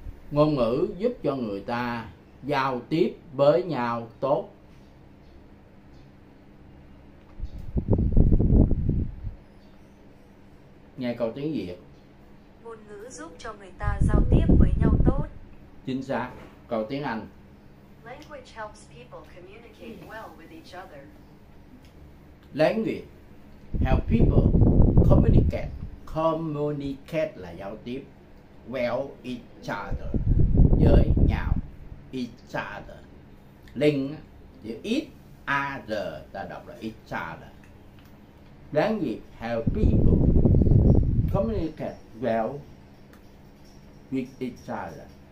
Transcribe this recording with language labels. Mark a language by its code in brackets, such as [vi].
[vi] Ngôn ngữ giúp cho người ta giao tiếp với nhau tốt. Nghe câu tiếng Việt. Ngôn ngữ giúp cho người ta giao tiếp với nhau tốt. Chính xác. Câu tiếng Anh. [en] Language helps people communicate well with each other. Language helps people communicate. Communicate [vi] là giao tiếp. [en] Well each other, [vi] với nhau. [en] Each other. [vi] Link chữ [en] each other [vi] ta đọc là each other. [en] Language helps people communicate well with each other.